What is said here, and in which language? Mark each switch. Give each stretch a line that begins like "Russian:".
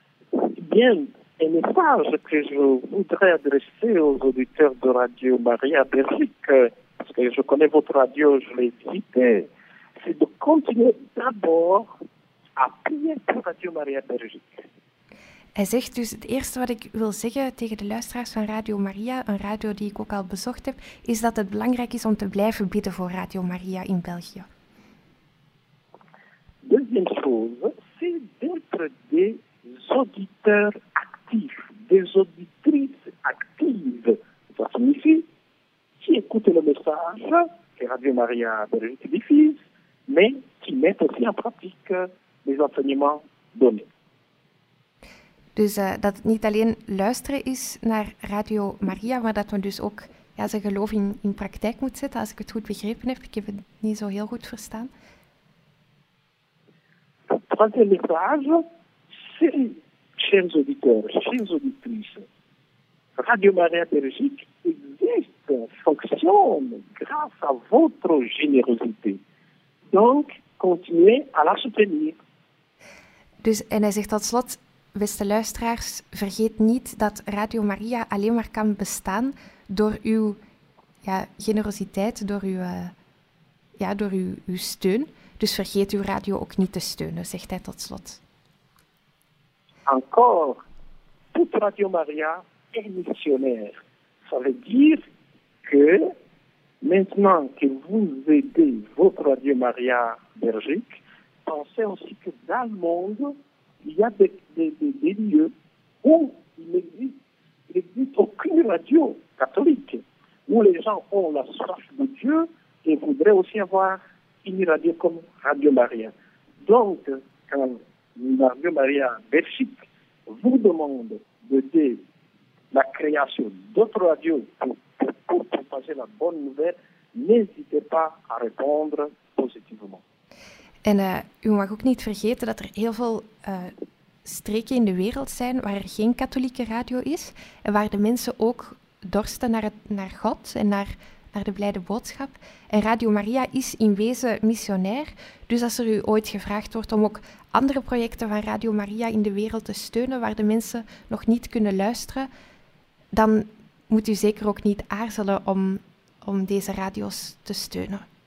French: Bien, un message que je voudrais adresser aux auditeurs de Radio Maria Belgique, parce que je connais votre radio, je l'ai visité, c'est de continuer d'abord à prier pour Radio Maria Belgique.
Dutch: Hij zegt dus, het eerste wat ik wil zeggen tegen de luisteraars van Radio Maria, een radio die ik ook al bezocht heb, is dat het belangrijk is om te blijven bidden voor Radio Maria in België.
French: Deuxième chose, c'est d'être des auditeurs actifs, des auditrices actives. Ça signifie, qui écoute le message que Radio Maria Belgique diffuse, mais qui met aussi en pratique les enseignements donnés.
Dutch: Dus dat het niet alleen luisteren is naar Radio Maria, maar dat men dus ook ja, zijn geloof in praktijk moet zetten, als ik het goed begrepen heb. Ik heb het niet zo heel goed verstaan. Het derde
French: message, c'est, chers auditeurs, chers auditrices, Radio Maria Belgique existe, fonctionne grâce à votre générosité. Donc, continuez à la soutenir.
Dutch: Dus, en hij zegt tot slot, beste luisteraars, vergeet niet dat Radio Maria alleen maar kan bestaan door uw ja, generositeit, door uw, ja, door uw steun. Dus vergeet uw radio ook niet te steunen, zegt hij tot slot.
French: Encore, toute Radio Maria est missionnaire. Ça veut dire que maintenant que vous aidez votre Radio Maria Belgique, pensez aussi que dans le monde, il y a des lieux où il n'existe aucune radio catholique, où les gens ont la soif de Dieu et voudraient aussi avoir une radio comme Radio Maria. Donc, quand Radio Maria Belgique vous demande d'aider la création d'autres radios pour propager la bonne nouvelle, n'hésitez pas à répondre positivement.
Dutch: En u mag ook niet vergeten dat er heel veel streken in de wereld zijn waar er geen katholieke radio is en waar de mensen ook dorsten naar God en naar de blijde boodschap. En Radio Maria is in wezen missionair, dus als er u ooit gevraagd wordt om ook andere projecten van Radio Maria in de wereld te steunen waar de mensen nog niet kunnen luisteren, dan moet u zeker ook niet aarzelen om deze radio's te steunen.